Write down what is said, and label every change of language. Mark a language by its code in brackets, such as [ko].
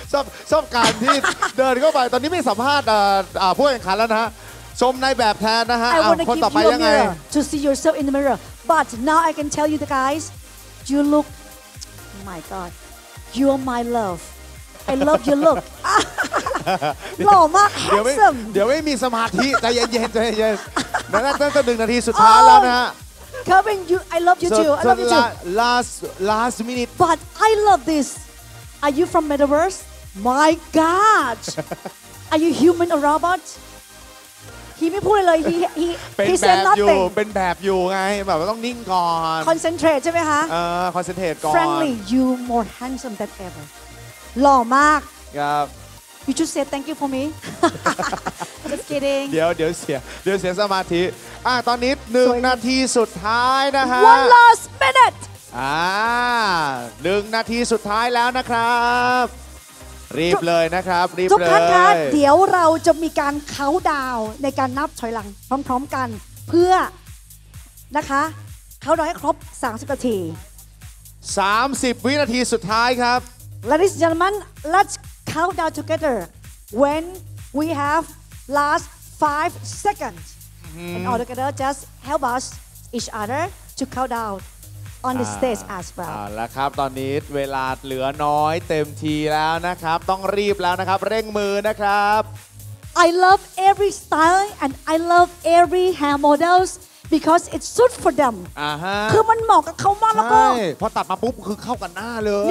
[th] ชอบชอบการที่เดินเข้าไปตอนนี้ไม่สัมภาษณ์ผู้แข่งขันแล้วนะฮะชมในแบบแทนนะฮะคนต่อไปยังไง [en] To see yourself in the mirror, but now I can tell you the guys, you look, my God, you are my love. I love your look. [th] หล่อมาก [en] handsome. [th] เดี๋ยวไม่มีสมาธิใจเย็นๆใจเย็นๆแล้วตั้ง1นาทีสุดท้ายแล้วนะฮะ [en] Kevin, I love you too. I love you too. Last minute. But I love this. Are you from Metaverse? My God. Are you human or robot? He [th] ไม่พูดเลย [en] He said nothing. [th] เป็นแบบอยู่เป็นแบบอยู่ไงแบบต้องนิ่งก่อน Concentrate ใช่ไหมคะ Concentrate ก่อน [en] Friendly, you more handsome than ever. [th] หล่อมาก ครับ [en] You just said thank you for me. Just kidding. [th] เดี๋ยวเสียสมาธิตอนนี้1นาทีสุดท้ายนะฮะ [en] One last minute. [th] 1นาทีสุดท้ายแล้วนะครับรีบเลยนะครับรีบเลย ทุกท่านคะเดี๋ยวเราจะมีการเคาท์ดาวน์ในการนับถอยหลังพร้อมๆกันเพื่อนะคะเคาท์ดาวน์ให้ครบ30นาที 30วินาทีสุดท้ายครับ [en] Ladies and gentlemen, let's count down together when we have last 5 seconds and all together just help us each other to count down on the stage as well [th] แล้วครับตอนนี้เวลาเหลือน้อยเต็มทีแล้วนะครับต้องรีบแล้วนะครับเร่งมือนะครับ [en] I love every style and I love every hair modelsBecause it suit for them [th] คือมันเหมาะกับเขามากแล้วก็พอตัดมาปุ๊บคือเข้ากันหน้าเลย